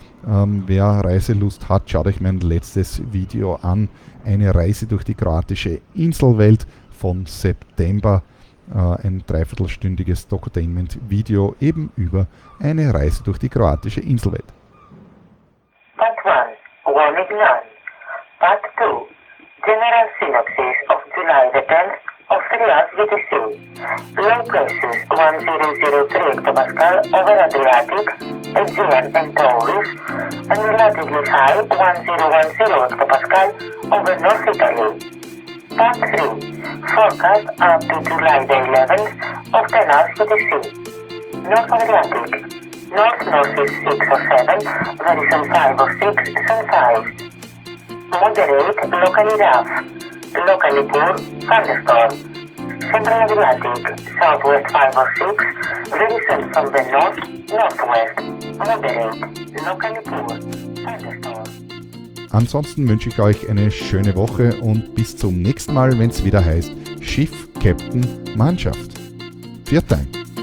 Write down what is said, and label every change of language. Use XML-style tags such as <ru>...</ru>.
<de>Wer Reiselust hat, schaut euch mein letztes Video an. Eine Reise durch die kroatische Inselwelt von September. Ein dreiviertelstündiges Docutainment-Video eben über eine Reise durch die kroatische Inselwelt.</de> <en>Part 1. Warning 9. Part 2. General Synopsis of July the 10th of 3RGDC. Low pressures 1003 hectopascal over Adriatic, Aegean and Taurus, and relatively high 1010 hectopascal over North Italy. Part 3. Forecast up to July the 11th of 10RGDC. North Adriatic. North-northeast 6 or 7, variation 5 or 6, sun 5. Moderate, locally rough, locally poor, thunderstorm. Central Adriatic, southwest 5 or 6, variation from the north, northwest. Moderate, locally poor, thunderstorm.</en> <de>Ansonsten wünsche ich euch eine schöne Woche und bis zum nächsten Mal, wenn es wieder heißt Schiff, Captain, Mannschaft. Pfiat euch!</de>